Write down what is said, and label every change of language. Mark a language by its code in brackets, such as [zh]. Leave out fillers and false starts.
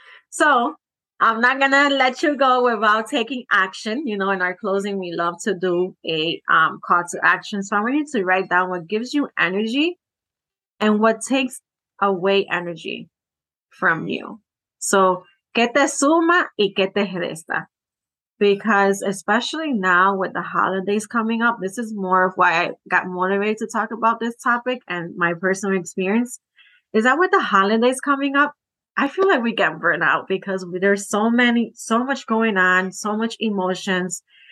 [en] So I'm not going to let you go without taking action. You know, in our closing, we love to do a call to action. So I want you to write down what gives you energy and what takes away energy from you. [es] So que te suma y que te resta. [en] Because especially now with the holidays coming up, this is more of why I got motivated to talk about this topic and my personal experience, is that with the holidays coming up, I feel like we get burnt out because there's so much going on, so much emotions.